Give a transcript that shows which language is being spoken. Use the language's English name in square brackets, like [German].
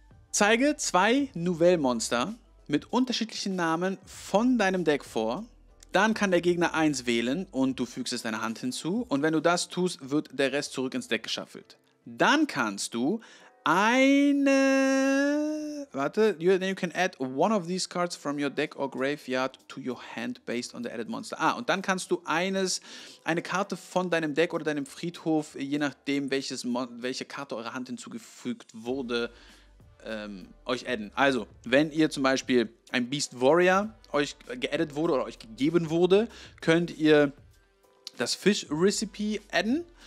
[German] Zeige 2 Nouvelle-Monster mit unterschiedlichen Namen von deinem Deck vor. Dann kann der Gegner 1 wählen und du fügst es deiner Hand hinzu. Und wenn du das tust, wird der Rest zurück ins Deck geschaffelt. Dann kannst du eine... warte, [English] then you can add one of these cards from your deck or graveyard to your hand based on the added monster. [German] Ah, und dann kannst du eine Karte von deinem Deck oder deinem Friedhof, je nachdem, welche Karte eurer Hand hinzugefügt wurde, euch adden. Also, wenn ihr zum Beispiel ein Beast Warrior euch geaddet wurde oder euch gegeben wurde, könnt ihr das Fish Recipe adden.